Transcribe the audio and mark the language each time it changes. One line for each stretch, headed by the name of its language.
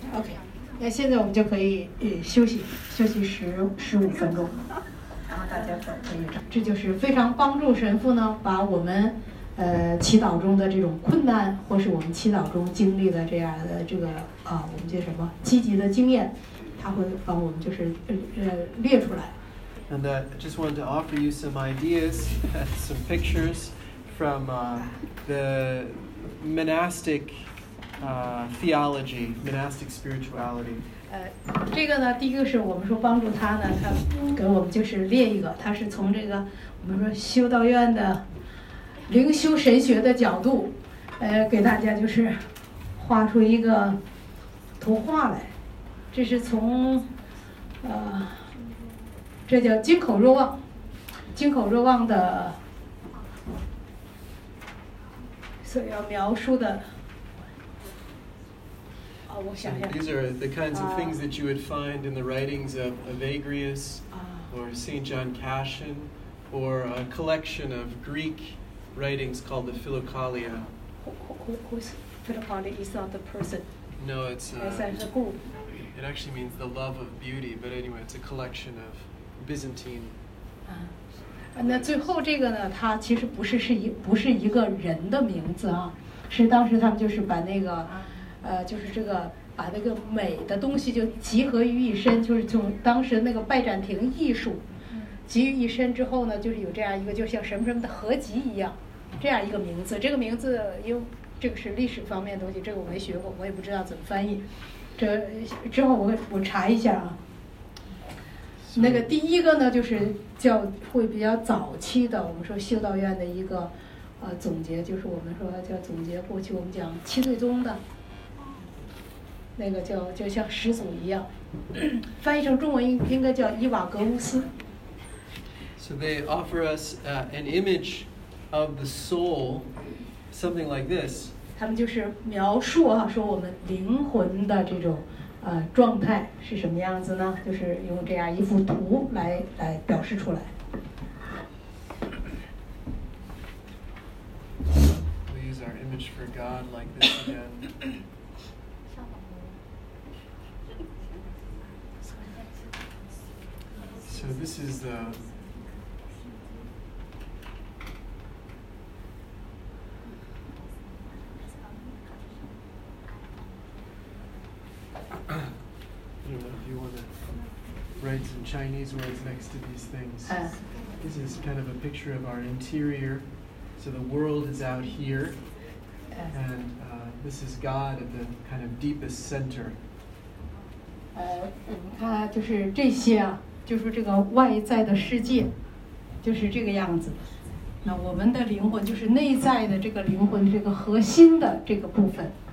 Chinese: OK， 那现在我们就可以休息十五分钟。然后大家可以，这就是非常帮助神父呢，把我们，祈祷中的这种困难，或是我们祈祷中经历的这样的这个啊，我们叫什么积极的经验，他会帮我们就是列出来。
English: And that, I just wanted to offer you some ideas, some pictures from the monastic theology, monastic spirituality.
Chinese: 这个呢，第一个是我们说帮助他呢，他给我们就是列一个，他是从这个我们说修道院的灵修神学的角度，给大家就是画出一个图画来。这是从这叫金口若望的所要描述的。
English: These are the kinds of things that you would find in the writings of Evagrius or St. John Cassian or a collection of Greek writings called the Philokalia. Who's Philokalia? It's not the person. No, it's a group. It actually means the love of beauty, but anyway, it's a collection of Byzantine.
Chinese: 那最后这个呢，它其实不是一个人的名字啊，是当时他们就是把那个。就是这个把那个美的东西就集合于一身，就是从当时那个拜占庭艺术集于一身之后呢，就是有这样一个就像什么什么的合集一样这样一个名字。这个名字因为这个是历史方面的东西，这个我没学过，我也不知道怎么翻译，这之后我查一下啊。那个第一个呢就是叫会比较早期的我们说修道院的一个总结，就是我们说叫总结过去我们讲七罪宗的那个就像始祖一样，翻译成中文应该叫伊瓦格乌斯。
English: So they offer us an image of the soul, something like this.
Chinese: 他们就是描述啊，说我们灵魂的这种状态是什么样子呢？就是用这样一幅图来表示出来。
English: We use our image for God like this again. So this is I don't know if you want to write some Chinese words next to these things. This is kind of a picture of our interior. So the world is out here. And this is God at the kind of deepest center.
Chinese: 就是这些啊。就是这个外在的世界就是这个样子，那我们的灵魂就是内在的这个灵魂这个核心的这个部分。